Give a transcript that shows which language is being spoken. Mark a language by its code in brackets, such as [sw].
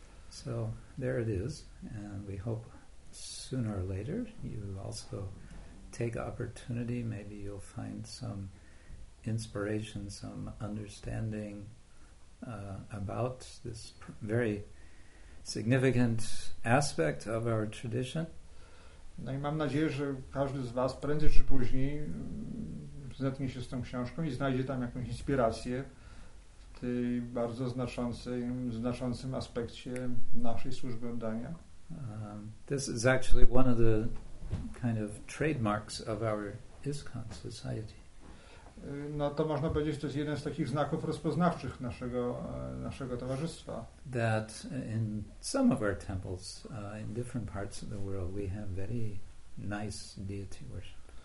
[en] So there it is, and we hope sooner or later you also take opportunity, maybe you'll find some inspiration, some understanding about this very significant aspect of our tradition. [pl] No i mam nadzieję, że każdy z was prędzej czy później zetknie się z tą książką i znajdzie tam jakąś inspirację w tej bardzo znaczącym aspekcie naszej służby oddania. [en] This is actually one of the kind of trademarks of our ISKCON society. [pl] No to można powiedzieć, to jest jeden z takich znaków rozpoznawczych naszego towarzystwa. [en] That in some of our temples, in different parts of the world, we have very nice deity worship.